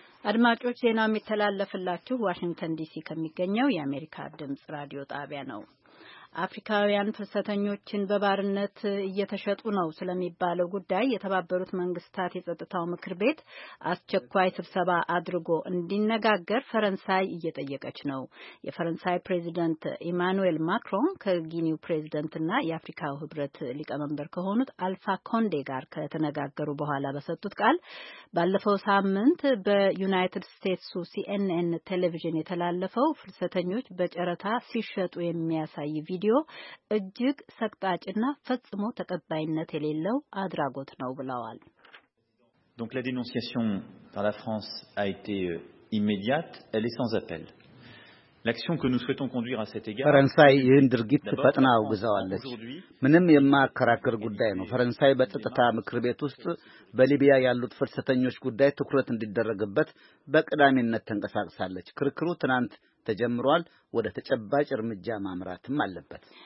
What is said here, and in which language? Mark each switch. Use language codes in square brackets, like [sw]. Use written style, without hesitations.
[am] አድማጮች፣ ዜናው የሚተላለፍላችሁ ዋሽንግተን ዲሲ ከሚገኘው የአሜሪካ ድምጽ ራዲዮ ጣቢያ ነው። አፍሪካውያን ፍልሰተኞችን በባርነት እየተሸጡ ነው ስለሚባለው ጉዳይ የተባበሩት መንግስታት የጸጥታው ምክር ቤት አስቸኳይ ስብሰባ አድርጎ እንዲነጋገር ፈረንሳይ እየጠየቀች ነው። የፈረንሳይ ፕሬዚደንት ኢማኑኤል ማክሮን ከጊኒው ፕሬዚደንትና የአፍሪካው ህብረት ሊቀመንበር ከሆኑት አልፋ ኮንዴ ጋር ከተነጋገሩ በኋላ በሰጡት ቃል ባለፈው ሳምንት በዩናይትድ ስቴትስ ሲኤንኤን ቴሌቪዥን የተላለፈው ፍልሰተኞች በጨረታ ሲሸጡ የሚያሳይ ቪዲዮ እጅግ ሰቅጣጭና ፈጽሞ ተቀባይነት የሌለው አድራጎት ነው ብለዋል። [fr] Donc la dénonciation dans la France a été immédiate, elle est sans appel. L'action que nous souhaitons conduire à cet égard [am] ፈረንሳይ ይህን ድርጊት ፈጥና አውግዛለች። ምንም የማከራከር ጉዳይ ነው። ፈረንሳይ በጸጥታ ምክር ቤት ውስጥ በሊቢያ ያሉት ፍልሰተኞች ጉዳይ ትኩረት እንዲደረግበት በቀዳሚነት ተንቀሳቅሳለች። ክርክሩ ትናንት ተጀምሯል። ወደ ተጨባጭ እርምጃ ማምራትም አለበት።